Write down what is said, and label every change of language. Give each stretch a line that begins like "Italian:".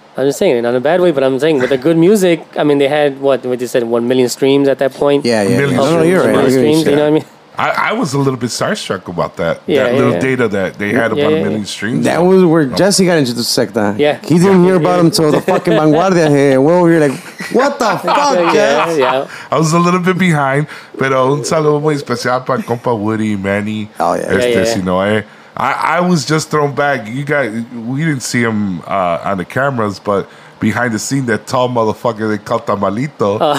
English: I'm just saying, not a bad way, but I'm saying with the good music, I mean, they had, what you said, 1 million streams at that point? Yeah. A million streams, you know what I mean? I was a little bit starstruck about that. Data that they had about a million streams. That was where Jesse got into the Secta. Yeah. He didn't hear about him until the fucking Vanguardia. Hey, we're over here like, what the fuck, Jess? Yeah. I was a little bit behind.
Spanish: Pero un saludo muy especial para compa Woody, Manny.
English: Oh, yeah. I was just thrown back. We didn't see him on the cameras, but... Behind the scene, that tall motherfucker they called Tamalito.